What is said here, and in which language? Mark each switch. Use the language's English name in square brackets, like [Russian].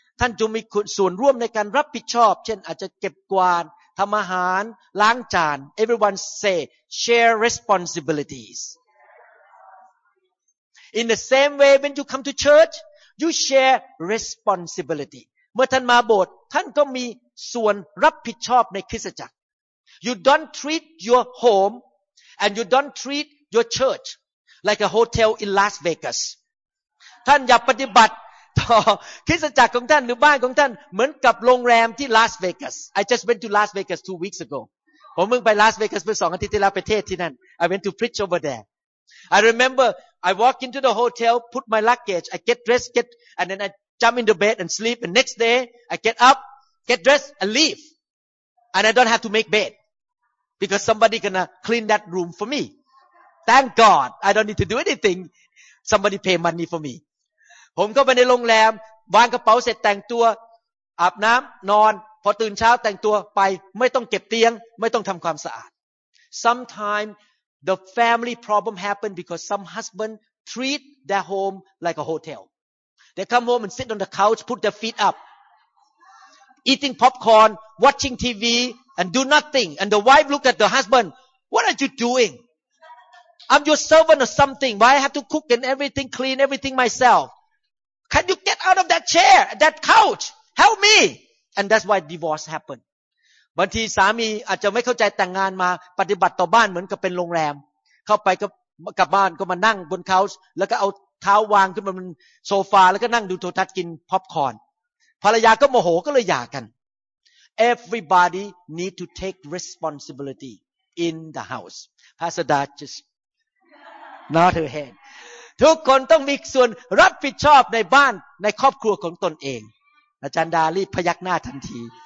[Thai] ท่านจะมีส่วนร่วมในการรับผิดชอบเช่นอาจจะเก็บกวาดทำอาหารล้างจาน [English] everyone say share responsibilities in the same way when you come to church you share responsibility [Thai] เมื่อท่านมาโบสถ์ท่านก็มีส่วนรับผิดชอบในคริสตจักร [English] you don't treat your home and you don't treat your church like a hotel in Las Vegas. [Thai] ท่านอย่าปฏิบัติต่อคริสตจักรของท่านหรือบ้านของท่านเหมือนกับโรงแรมที่ Las Vegas. [English] I just went to Las Vegas 2 weeks ago. [Thai] ผมเพิ่งไป Las Vegas เมื่อ2อาทิตย์ที่แล้วไปเทศที่นั่น. [English] I went to preach over there. I remember I walk into the hotel, put my luggage, I get dressed, get, and then I jump in the bed and sleep. And next day, I get up, get dressed, and leave. And I don't have to make bed because somebody gonna clean that room for me. Thank God, I don't need to do anything. Somebody pay money for me. [Thai] ผมก็ไปในโรงแรมวางกระเป๋าเสร็จแต่งตัวอาบน้ำนอนพอตื่นเช้าแต่งตัวไปไม่ต้องเก็บเตียงไม่ต้องทำความสะอาด [English] SometimesThe family problem happened because some husband treat their home like a hotel. They come home and sit on the couch, put their feet up, eating popcorn, watching TV, and do nothing. And the wife looked at the husband, "What are you doing? I'm your servant or something. Why I have to cook and everything, clean everything myself? Can you get out of that chair, that couch? Help me!" And that's why divorce happened. [Thai] บางทีสามีอาจจะไม่เข้าใจแต่งงานมาปฏิบัติต่อบ้านเหมือนกับเป็นโรงแรมเข้าไปก็กลับบ้านก็มานั่งบนเคาช์แล้วก็เอาเท้าวางขึ้นมาบนโซฟาแล้วก็นั่งดูโทรทัศน์กินป๊อปคอร์นภรรยาก็โมโหก็เลยหย่ากัน [English] Everybody need to take responsibility in the house Pastor Da just nod her head [Thai] ทุกคนต้องมีส่วนรับผิดชอบในบ้านในครอบครัวของตนเองอาจารย์ดารีพยักหน้าทันที